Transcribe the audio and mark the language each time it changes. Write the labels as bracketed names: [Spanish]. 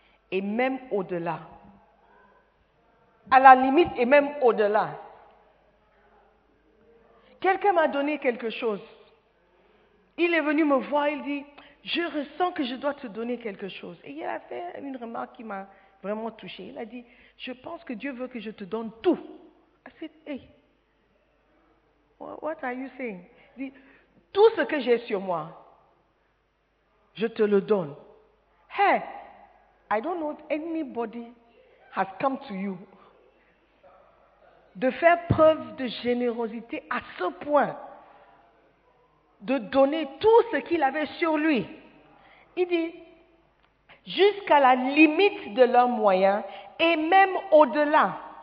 [French] Et même au-delà. À la limite et même au-delà. Quelqu'un m'a donné quelque chose. Il est venu me voir, il dit... Je ressens que je dois te donner quelque chose. Et il a fait une remarque qui m'a vraiment touchée. Il a dit, je pense que Dieu veut que je te donne tout. [English] I said, hey, what are you saying? [French] Il dit, tout ce que j'ai sur moi, je te le donne. [English] Hey, I don't know if anybody has come to you. [French] De faire preuve de générosité à ce point. De donner tout ce qu'il avait sur lui. Il dit, jusqu'à la limite de leurs moyens et même au-delà.